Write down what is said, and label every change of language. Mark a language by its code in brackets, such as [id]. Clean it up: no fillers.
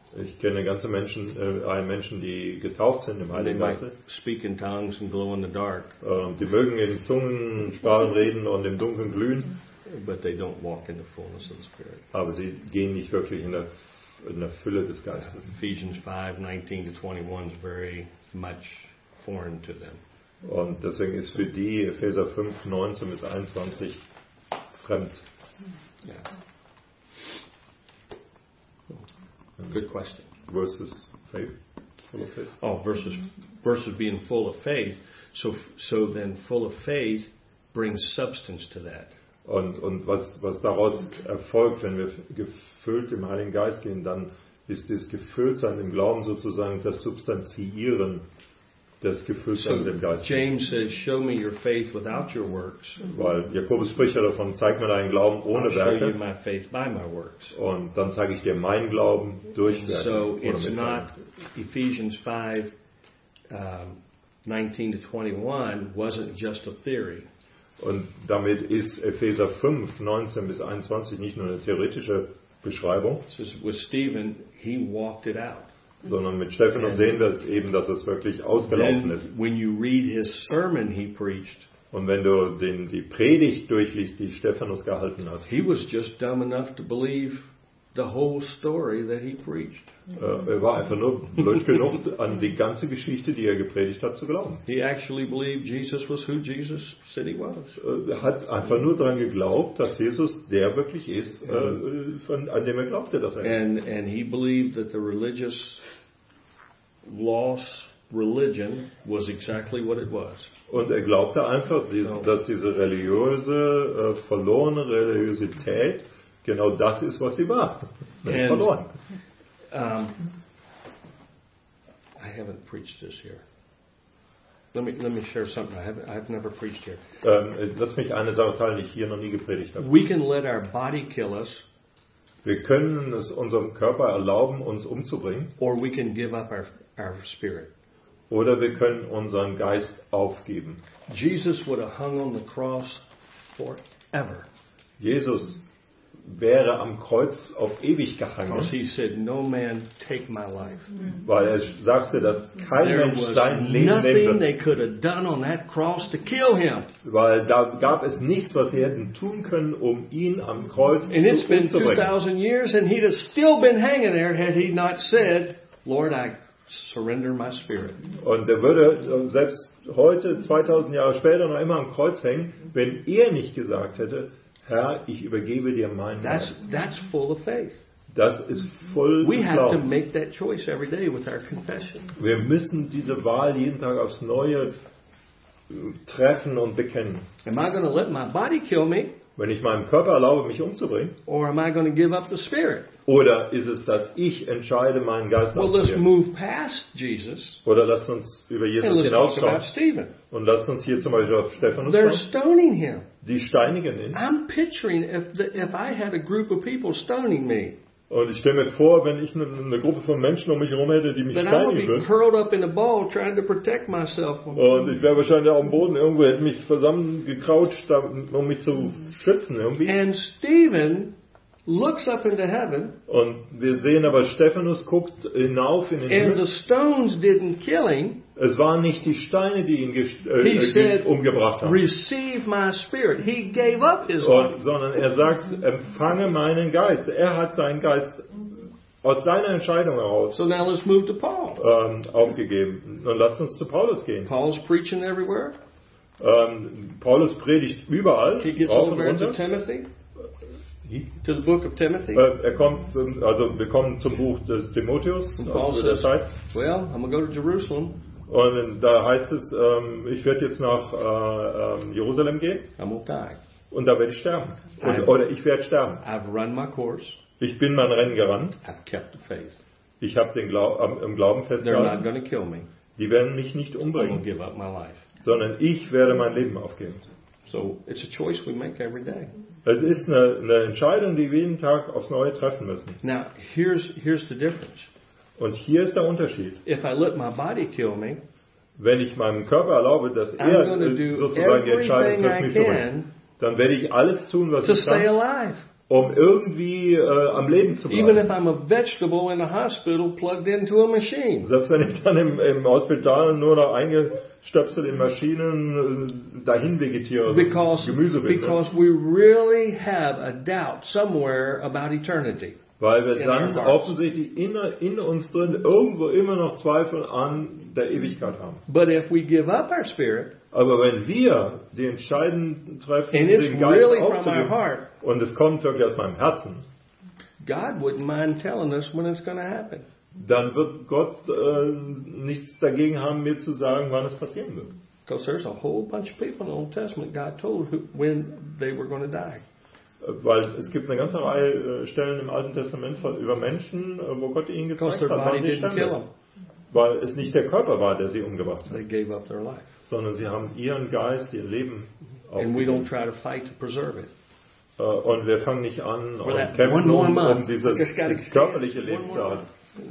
[de] Ich kenne ganze Menschen, Menschen, die getauft sind im Heiligen Geist. [en] Speak in tongues and glow in the dark. [de] Die mögen in Zungensprachen reden und im Dunkeln glühen. [en] But they don't walk in the fullness of the Spirit. [de] Aber sie gehen nicht wirklich in der Fülle des Geistes. [en] Yeah. Ephesians 5, 19 to 21 is very much foreign to them. [de] Und deswegen ist für die Epheser 5, 19 bis 21 fremd. [en] Yeah. Good question. Versus faith. full of faith. Oh, versus being full of faith. So then full of faith brings substance to that. [de] Und was daraus erfolgt, wenn wir gefüllt im Heiligen Geist gehen, dann ist das Gefülltsein im Glauben sozusagen das Substanzieren des Gefülltseins im Geist. [en] James says, show me your faith without your works. [de] Weil Jakobus spricht ja davon, zeig mir deinen Glauben ohne Werke. [en] I'll show you my faith by my works. [de] Und dann zeige ich dir meinen Glauben durch Werke. [en] So it's not Ephesians 5, 19-21 wasn't just a theory. [de] Und damit ist Epheser 5, 19 bis 21 nicht nur eine theoretische Beschreibung, [en] with Stephen, he walked it out. [de] Sondern mit Stephanus sehen wir es eben, dass es wirklich ausgelaufen ist. [en] When you read his sermon he preached, [de] und wenn du die Predigt durchliest, die Stephanus gehalten hat, [en] he was just dumb enough to believe the whole story that he preached. [de] Er war einfach nur blöd genug, an die ganze Geschichte, die er gepredigt hat, zu glauben. [en] He actually believed Jesus was who Jesus said he was. [de] Er hat einfach nur daran geglaubt, dass Jesus der wirklich ist, an dem er glaubte, dass er ist. [en] And he believed that the religious laws religion was exactly what it was. [de] Und er glaubte einfach, dass diese religiöse verlorene Religiosität genau das ist, was sie war. [en] And, [de] verloren. [en] I haven't preached this here. Let me share something. I've never preached here. [de] Lass mich eine Sache teilen, die ich hier noch nie gepredigt habe. [en] We can let our body kill us. [de] Wir können es unserem Körper erlauben, uns umzubringen. [en] Or we can give up our spirit. [de] Oder wir können unseren Geist aufgeben. [en] Jesus would have hung on the cross forever. [de] Jesus wäre am Kreuz auf ewig gehangen. [en] He said, no man take my life. [de] Weil er sagte, dass kein [en] there [de] Mensch sein Leben nehmen würde. [en] They could have done on that cross to kill him. [de] Weil da gab es nichts, was sie hätten tun können, um ihn am Kreuz zu bringen. [en] And it's been 2,000 years and he'd have still been hanging there had he not said, Lord, I surrender my spirit. [de] Und er würde selbst heute, 2,000 Jahre später, noch immer am Kreuz hängen, wenn er nicht gesagt hätte, Herr, ich übergebe dir meinen Geist. [en] That's full of faith. [de] Das ist voll [en] we [de] des Glaubens. [en] Have to make that choice every day with our confession. [de] Wir müssen diese Wahl jeden Tag aufs Neue treffen und bekennen. [en] Am I going to let my body kill me? [de] Wenn ich meinem Körper erlaube, mich umzubringen? [en] Or am I going to give up the spirit? [de] Oder ist es, dass ich entscheide, meinen Geist [en] well, [de] aufzugeben? [en] Let's move past Jesus. [de] Oder lasst uns über Jesus [en] and [de] hinausschauen. Und lasst uns hier zum Beispiel auf Stephanus [en] they're [de] schauen. [en] Stoning him. [de] Die steinigen ihn. [en] I'm picturing if I had a group of people stoning me. [de] Und ich stelle mir vor, wenn ich eine Gruppe von Menschen um mich herum hätte, die mich steinigen würden. Und ich wäre wahrscheinlich auf dem Boden irgendwo, hätte mich zusammengekrautscht, um mich zu schützen irgendwie. [en] And Stephen looks up into heaven. [de] Und wir sehen aber, Stephanus guckt hinauf in den Himmel. [en] And the stones didn't kill him. [de] Es waren nicht die Steine, die ihn umgebracht haben. [en] Receive my spirit. He gave up his life. [de] Sondern er sagt, empfange meinen Geist. Er hat seinen Geist aus seiner Entscheidung heraus [en] so now let's move to Paul. [de] Aufgegeben. Und lasst uns zu Paulus gehen. [en] Paul's preaching everywhere. [de] Paulus predigt überall. [en] He gets [de] rauf und runter. [en] To Timothy. To the book of Timothy. [de] Er kommt, also wir kommen zum Buch des Timotheus. [en] Paul [de] also der Zeit. [en] Says, well, I'm going to go to Jerusalem. [de] Und da heißt es, ich werde jetzt nach Jerusalem gehen. [en] I'm going to die. [de] Und da werde ich sterben. Oder ich werde sterben. [en] I've run my course. [de] Ich bin mein Rennen gerannt. [en] I've kept the faith. [de] Ich habe den im Glauben festgehalten. [en] They're not going to kill me. [de] Die werden mich nicht umbringen. [en] I'm going to give up my life. [de] Sondern ich werde mein Leben aufgeben. [en] So it's a choice we make every day. [de] Es ist eine Entscheidung, die wir jeden Tag aufs Neue treffen müssen. [en] Now, here's the difference. [de] Und hier ist der Unterschied. [en] If I let my body kill me, [de] wenn ich meinem Körper erlaube, dass er sozusagen die Entscheidung trifft, mich umbringen, dann werde ich alles tun, was ich kann, [en] alive. [de] Um irgendwie am Leben zu bleiben. [en] Even if I'm a vegetable in a hospital plugged into a machine. [de] Selbst wenn ich dann im Hospital nur noch eingestöpselt in Maschinen dahin vegetiere, [en] because, [de] also Gemüse bin. [en] Because we really have a doubt somewhere about eternity. [de] Weil wir dann offensichtlich in uns drin irgendwo immer noch Zweifel an der Ewigkeit haben. [en] But if we give up our spirit, [de] aber wenn wir die Entscheidung treffen, den Geist [en] really [de] aufzugeben, und es kommt wirklich aus meinem Herzen, [en] God wouldn't mind telling us when it's going to happen. [de] Dann wird Gott nichts dagegen haben, mir zu sagen, wann es passieren wird. [en] Because there's a whole bunch of people in the Old Testament God told who, when they were going to die. [de] Weil es gibt eine ganze Reihe Stellen im Alten Testament über Menschen, wo Gott ihnen gezeigt hat, wann sie sterben. Weil es nicht der Körper war, der sie umgebracht hat. Sondern sie haben ihren Geist, ihr Leben aufgegeben. Und wir fangen nicht an und kämpfen, um dieses körperliche Leben zu haben.